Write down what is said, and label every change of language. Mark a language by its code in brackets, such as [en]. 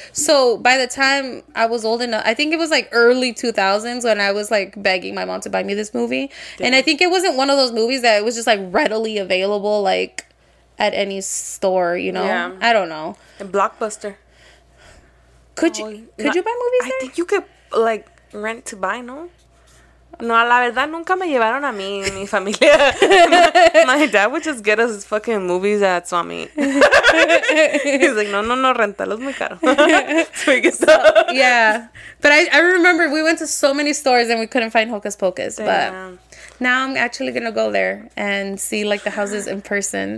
[en] So, by the time I was old enough, I think it was, like, early 2000s when I was, like, begging my mom to buy me this movie. Damn. And I think it wasn't one of those movies that it was just, like, readily available, like, at any store, you know? Yeah. I don't know. And Blockbuster. Could you buy movies there? I think you could, like, rent to buy, no? [es] No, la verdad, nunca me llevaron a mí, mi familia. [en] My dad would just get us fucking movies at Swami. He's like, [es] no, rentalos muy caro. [en] So, yeah. But I remember we went to so many stores and we couldn't find Hocus Pocus. Damn. But now I'm actually going to go there and see, like, the houses in person.